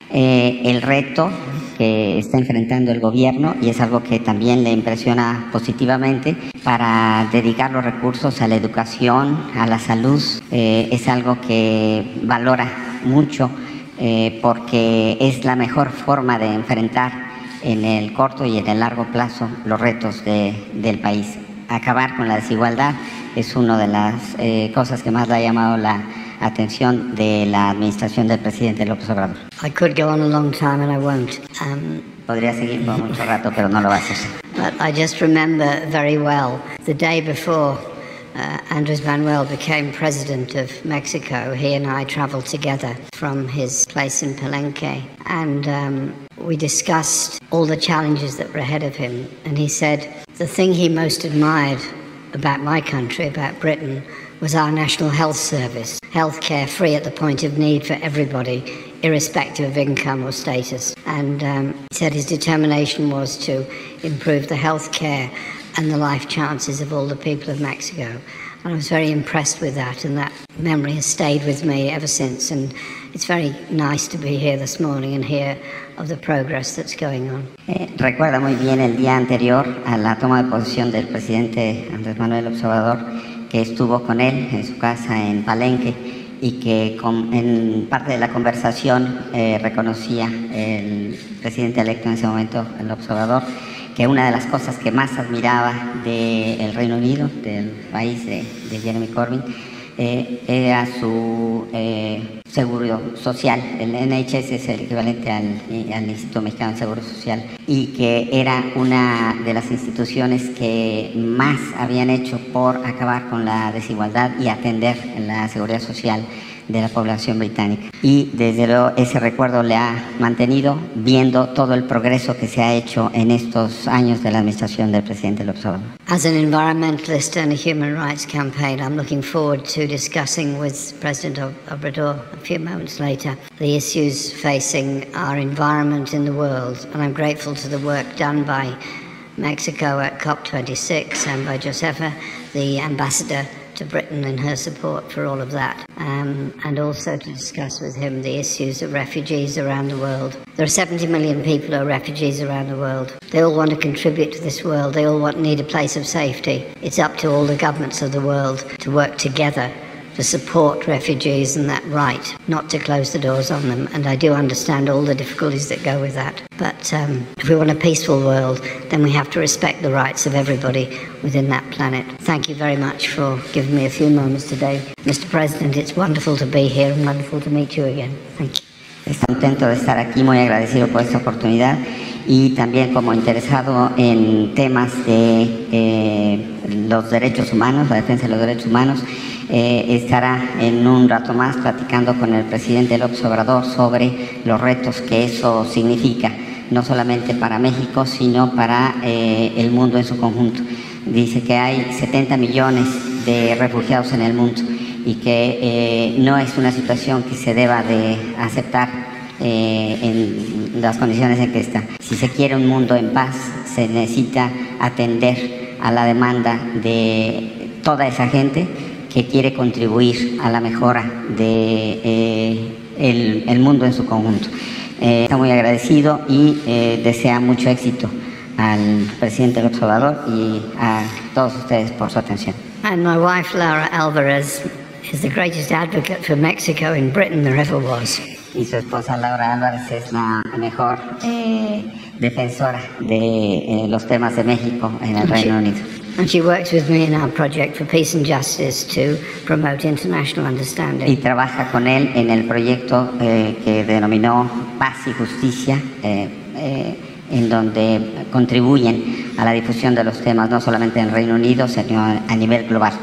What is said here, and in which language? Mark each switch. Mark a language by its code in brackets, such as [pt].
[es] El reto que está enfrentando el gobierno y es algo que también le impresiona positivamente para dedicar los recursos a la educación, a la salud, es algo que valora mucho porque es la mejor forma de enfrentar en el corto y en el largo plazo los retos del país. Acabar con la desigualdad es una de las cosas que más le ha llamado la atención de la administración del presidente López Obrador. [en] I could go on a long time and I won't. [es] Podría seguir por mucho rato, pero no lo va a hacer. [en] But I just remember very well the day before Andrés Manuel became president of Mexico. He and I traveled together from his place in Palenque and we discussed all the challenges that were ahead of him. And he said the thing he most admired about my country, about Britain, was our national health service, healthcare free at the point of need for everybody, irrespective of income or status. And he said his determination was to improve the healthcare and the life chances of all the people of Mexico. And I was very impressed with that, and that memory has stayed with me ever since. And it's very nice to be here this morning and hear of the progress that's going on. [es] Recuerda muy bien el día anterior a la toma de posición del presidente Andrés Manuel López Obrador, que estuvo con él en su casa en Palenque y que en parte de la conversación reconocía el presidente electo en ese momento, el observador, que una de las cosas que más admiraba del Reino Unido, del país de Jeremy Corbyn, era su seguro social. El NHS es el equivalente al Instituto Mexicano de Seguro Social, y que era una de las instituciones que más habían hecho por acabar con la desigualdad y atender la seguridad social de la población británica. Y desde luego ese recuerdo le ha mantenido, viendo todo el progreso que se ha hecho en estos años de la administración del presidente López Obrador. [en] As an environmentalist and a human rights campaign, I'm looking forward to discussing with President Obrador a few moments later the issues facing our environment in the world, and I'm grateful to the work done by Mexico at COP26 and by Josefa, the ambassador to Britain, and her support for all of that, and also to discuss with him the issues of refugees around the world. There are 70 million people who are refugees around the world. They all want to contribute to this world. They all need a place of safety. It's up to all the governments of the world to work together to support refugees and that right, not to close the doors on them. And I do understand all the difficulties that go with that. But if we want a peaceful world, then we have to respect the rights of everybody within that planet. Thank you very much for giving me a few moments today. Mr. President, it's wonderful to be here and wonderful to meet you again. Thank you. [es] Estoy contento de estar aquí, muy agradecido por esta oportunidad, y también como interesado en temas de los derechos humanos, la defensa de los derechos humanos. Estará en un rato más platicando con el presidente López Obrador sobre los retos que eso significa, no solamente para México, sino para el mundo en su conjunto. Dice que hay 70 millones de refugiados en el mundo y que no es una situación que se deba de aceptar en las condiciones en que está. Si se quiere un mundo en paz, se necesita atender a la demanda de toda esa gente que quiere contribuir a la mejora de el mundo en su conjunto. Está muy agradecido y desea mucho éxito al presidente López Obrador y a todos ustedes por su atención. [en] And my wife Laura Alvarez is the greatest advocate for Mexico in Britain there ever was. [es] Y su esposa Laura Alvarez es la mejor defensora de los temas de México en el Reino Unido. [en] And she works with me in our project for peace and justice to promote international understanding. [es] Y trabaja con él en el proyecto que denominó Paz y Justicia, en donde contribuyen a la difusión de los temas no solamente en Reino Unido, sino a nivel global.